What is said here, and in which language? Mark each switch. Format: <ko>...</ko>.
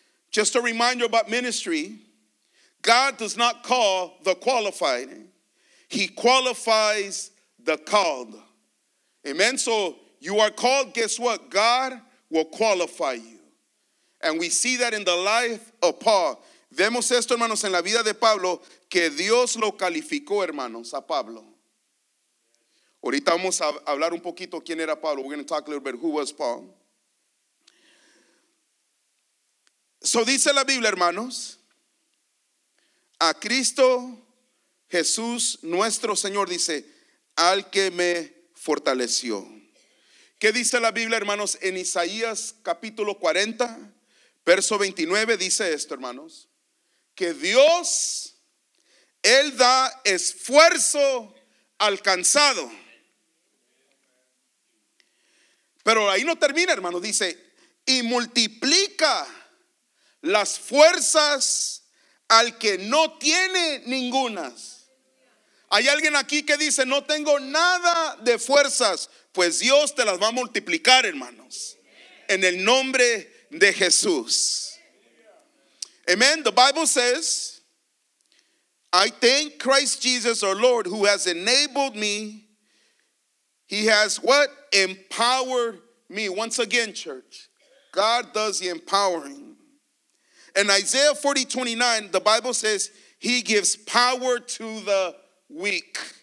<en>Just a reminder about ministry. God does not call the qualified. He qualifies the called. Amen. So you are called. Guess what? God will qualify you. And we see that in the life of Paul.</en> <es>Vemos esto, hermanos, en la vida de Pablo, que Dios lo calificó, hermanos, a Pablo. Ahorita vamos a hablar un poquito quién era Pablo. We're going to talk a little bit who was Paul. So dice la Biblia, hermanos, a Cristo Jesús nuestro Señor, dice, al que me fortaleció. ¿Qué dice la Biblia, hermanos? En Isaías capítulo 40, verso 29, dice esto, hermanos, que Dios, Él da esfuerzo al cansado. Pero ahí no termina, hermanos, dice, y multiplica las fuerzas al que no tiene ningunas. Hay alguien aquí que dice, no tengo nada de fuerzas. Pues Dios te las va a multiplicar, hermanos, en el nombre de Jesús. Amen.</es> <en>The Bible says, I thank Christ Jesus our Lord who has enabled me. He has what? Empowered me. Once again, church, God does the empowering. In Isaiah 40:29, the Bible says, he gives power to the weak.</en>